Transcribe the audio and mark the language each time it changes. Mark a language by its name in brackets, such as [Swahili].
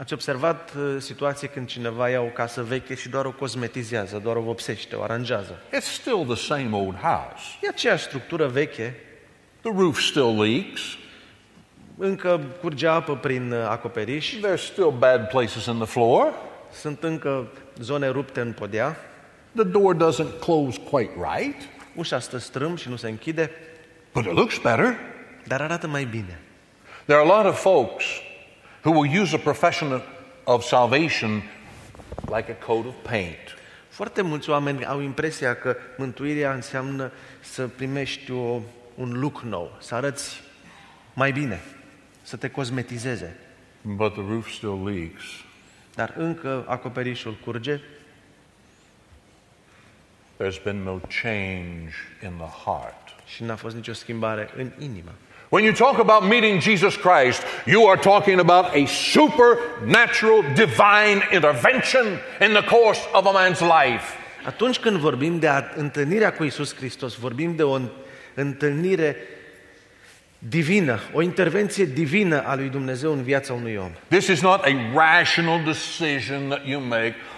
[Romanian] Ați observat situația când cineva ia o casă veche și doar o cosmetizează, doar o vopsește, o aranjează? [English] It's still the same old house. [Romanian] E aceeași structură veche. [English] The roof still leaks. [Romanian] Încă curge apă prin acoperiș. [English] There's still bad places in the floor. [Romanian] Sunt încă zone rupte în podea. [English] The door doesn't close quite right. [Romanian] Ușa stă strâmb și nu se închide. [English] But it looks better. [Romanian] Dar arată mai bine. [English] There are a lot of folks who will use a profession of salvation like a coat of paint. [Romanian] Foarte mulți oameni au impresia că mântuirea înseamnă să primești un look nou, să arăți mai bine, să te cosmetizeze. [English] But the roof still leaks. [Romanian] Dar încă acoperișul curge. [English] There's been no change in the heart. [Romanian] Și n-a fost nicio schimbare în inimă. [English] When you talk about meeting Jesus Christ, you are talking about a supernatural divine intervention in the course of a man's life. [Romanian] Atunci când vorbim de întâlnirea cu Iisus Hristos, vorbim de o întâlnire divină, o intervenție divină a lui Dumnezeu în viața unui om. [English] This is not a rational decision that you make.